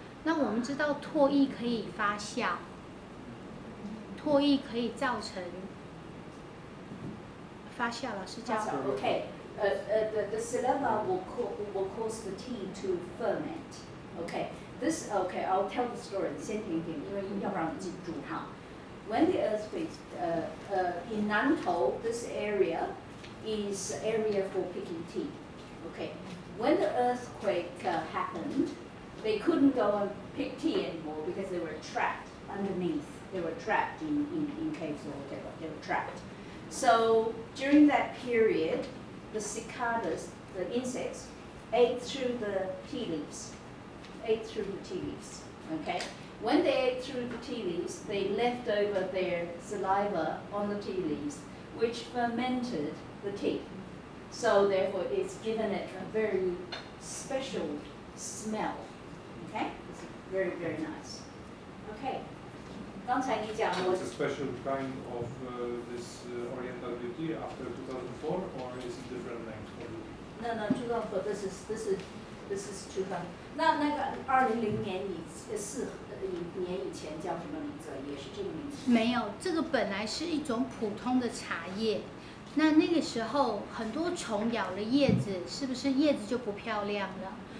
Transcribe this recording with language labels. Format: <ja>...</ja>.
<zh>那我们知道唾液可以发酵，唾液可以造成发酵了，是这样。</zh> <en>OK， the saliva will cause the tea to ferment. OK， this OK， I'll tell the story.</en> <zh>先听听，因为要不然记不住哈。</zh> <en>When the earthquake, in Nantou, this area is area for picking tea. OK， when the earthquake happened, they couldn't go and pick tea anymore because they were trapped underneath. They were trapped in caves or whatever. They were trapped. So during that period, the cicadas, the insects, ate through the tea leaves. Okay. When they ate through the tea leaves, they left over their saliva on the tea leaves, which fermented the tea. So therefore, it's given it a very special smell. Okay. It's very, very nice. Okay.</en> <zh>刚才你讲</zh> <en>过。It's a special kind of this oriental beauty after 2004, or is it different length for you? No, 2004, this is 2000.</en> <zh>那个2004年以前叫什么名字？也是这个名字？没有，这个本来是一种普通的茶叶。那个时候很多虫咬了叶子，是不是叶子就不漂亮了？</zh>